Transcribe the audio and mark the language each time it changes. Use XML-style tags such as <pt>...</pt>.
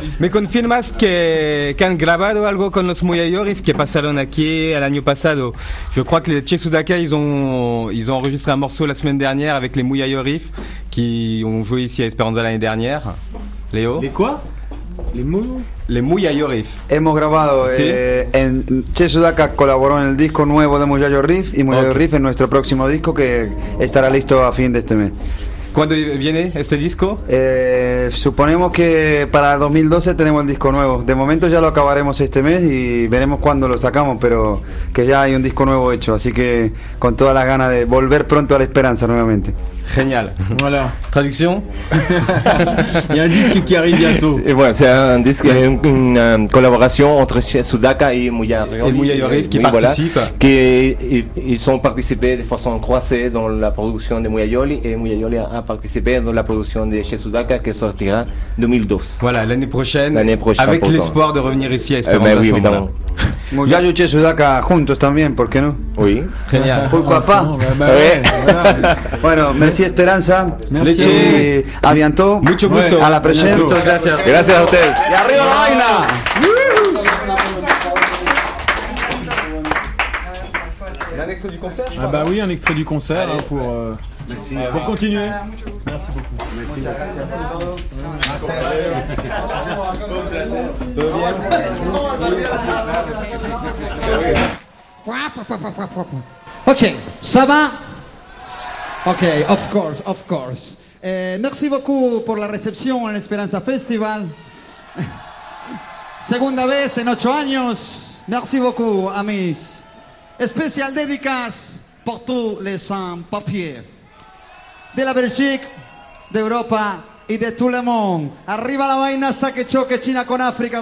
<es>¿Me confirmas que han grabado algo con los Muayayorif que pasaron aquí el año pasado?</es> <fr>Je crois que les Chesudaka, ils ont enregistré un morceau la semaine dernière avec les Muayayorif qui ont joué ici à Esperanza l'année dernière. Léo? Les quoi? Les Muyayo Riff.</fr> <es>Hemos grabado, ¿sí? En Che Sudaca colaboró en el disco nuevo de Muyayo Riff y Muyayo, okay, Riff en nuestro próximo disco que estará listo a fin de este mes. ¿Cuándo viene este disco? Suponemos que para 2012 tenemos el disco nuevo. De momento ya lo acabaremos este mes y veremos cuándo lo sacamos, pero que ya hay un disco nuevo hecho. Así que con todas las ganas de volver pronto a la esperanza nuevamente. Genial.</es> <fr>Voilà.</fr> <es>Traducción.</es> <fr>Il y a un disque qui arrive bientôt. Et voilà, c'est un disque, une collaboration entre Sudaka et Muyayo. Et Muyayo Riff qui participe. Voilà, qui ils ont participé de façon croisée dans la production de Muyayo et Muyayo a participé dans la production de Che Sudaka qui sortira 2012. Voilà, l'année prochaine. L'année prochaine. Avec l'espoir de revenir ici à Esperanza. Mais oui, évidemment.</fr> <es>Muyayo Che Sudaka juntos también, ¿por qué no?</es> <fr>Oui. Génial. Pourquoi pas? Bueno, merci Esperanza. Merci. A bientôt.</fr> <es>Mucho gusto. A la presente. Muchas gracias. Gracias a usted. Y arriba la vaina.</es> <fr>Un extrait du concert? Ah, bah oui, un extrait du concert. Allez, hein, pour, merci. Pour continuer. Merci beaucoup. Merci. Ok, ça va?</fr> <en>Ok, of course, of course.</en> <fr>Merci beaucoup pour la réception à l'Esperanza Festival.</fr> <es>Segunda vez en 8 años.</es> <fr>Merci beaucoup, amis. Spécial dédicace pour tous les sans-papiers de la Belgique, d'Europe et de tout le monde.</fr> <es>Arriba la vaina hasta que choque China con África.</es>